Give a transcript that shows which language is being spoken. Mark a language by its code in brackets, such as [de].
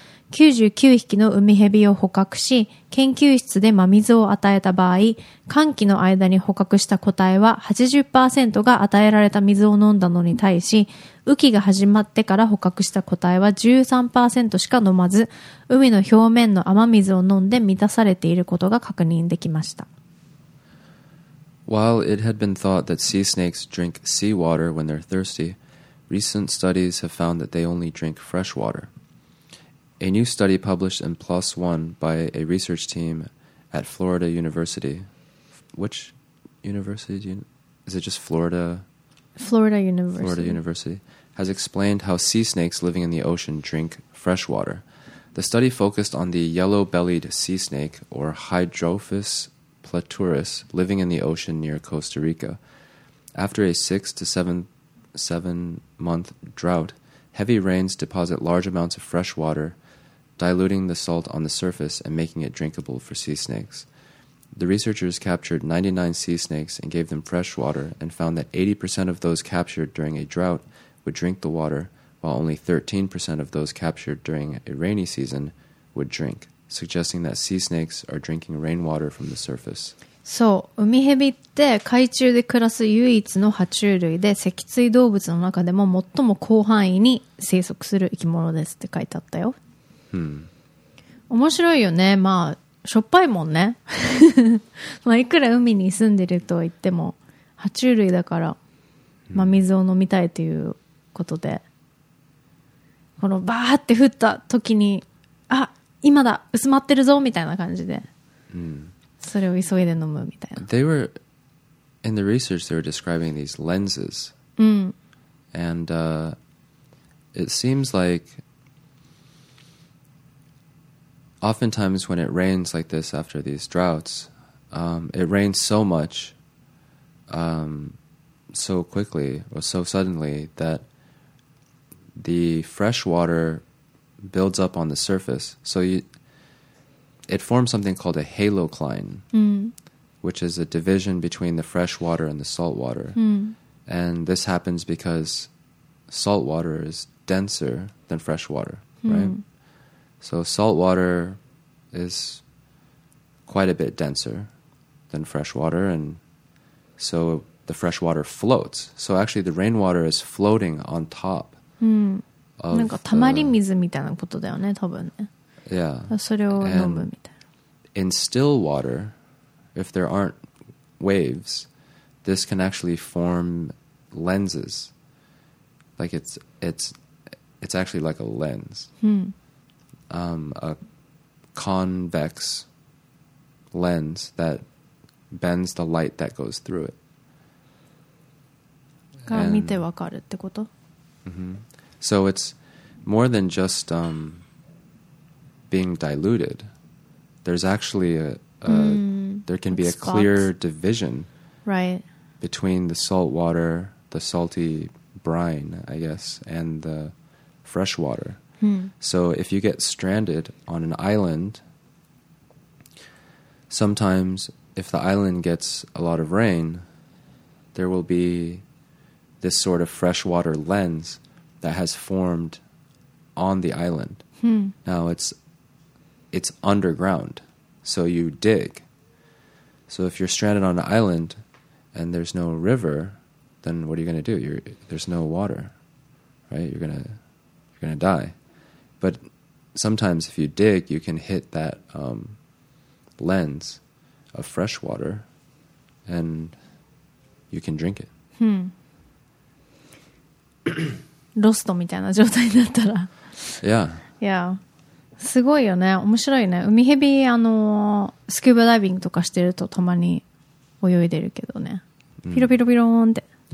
[ja] 99匹の海蛇を捕獲し、研究室で真水を与えた場合、寒気の間に捕獲した個体は 80% が与えられた水を飲んだのに対し、雨季が始まってから捕獲した個体は 13% しか飲まず、海の表面の雨水を飲んで満たされていることが確認できました。 [en] While it had been thought that sea snakes drink seawater when they're thirsty, recent studies have found that they only drink fresh water. A new study published in PLOS ONE by a research team at Florida University. Which university? Is it just Florida? Florida University. Florida University has explained how sea snakes living in the ocean drink fresh water. The study focused on the yellow-bellied sea snake, or Hydrophis platurus, living in the ocean near Costa Rica. After a 6 to 7 month drought, heavy rains deposit large amounts of fresh water, diluting the salt on the surface and making it drinkable for sea snakes. The researchers captured 99 sea snakes and gave them fresh water and found that 80% of those captured during a drought would drink the water, while only 13% of those captured during a rainy season would drink, suggesting that sea snakes are drinking rainwater from the surface. [ja] そう、ウミヘビって海中で暮らす唯一の爬虫類で、脊椎動物の中でも最も広範囲に生息する生き物ですって書いてあったよ。 hmm. 面白いよね。まあしょっぱいもんね。まあいくら海に住んでると言っても爬虫類だから、まあ、水を飲みたいということで、このバーって降った時に、あ、今だ、薄まってるぞみたいな感じで、それを急いで飲むみたいな。 [en] They were in the research. They were describing these lenses, and it seems like oftentimes when it rains like this after these droughts, it rains so much, so quickly or so suddenly that the fresh water builds up on the surface. So you. It forms something called a halocline, which is a division between the fresh water and the salt water. And this happens because salt water is denser than fresh water, right? So salt water is quite a bit denser than fresh water. And so the fresh water floats. So actually the rainwater is floating on top. [ja] なんか溜まり水みたいなことだよね、多分ね。 [en] Yeah. [ja] それを飲むみたいな。 [en] In still water, if there aren't waves, this can actually form lenses. Like it's actually like a lens. A convex lens that bends the light that goes through it. [ja] が見てわかるってこと? [en] So it's more than just... being diluted, there's actually a there can be a clear division between the salt water, the salty brine, I guess, and the fresh water. So if you get stranded on an island, sometimes if the island gets a lot of rain, there will be this sort of freshwater lens that has formed on the island. Now it's underground, so you dig. So if you're stranded on an island and there's no river, then what are you going to do? There's no water, right? You're gonna die. But sometimes if you dig, you can hit that lens of fresh water and you can drink it. [ja] ロストみたいな状態になったら。 [en] Yeah. [ja] Yeah. すごいよね、面白いね。海蛇、スキューバダイビングとかしてるとたまに泳いでるけどね、ピロピロピローンって。